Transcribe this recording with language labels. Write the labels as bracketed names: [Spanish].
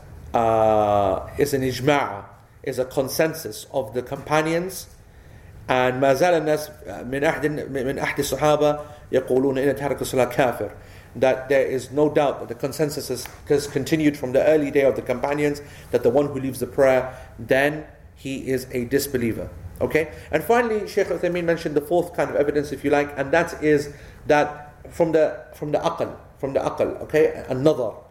[English] is an ijma'a, is a consensus of the companions. [Arabic] And ما زال الناس من أحد الصحابة يقولون إن تارك الصلاة كافر. [English] That there is no doubt that the consensus has continued from the early day of the companions that the one who leaves the prayer, then he is a disbeliever. Okay? And finally, Shaykh Uthaymeen mentioned the fourth kind of evidence, if you like, and that is that from the aql, okay, another.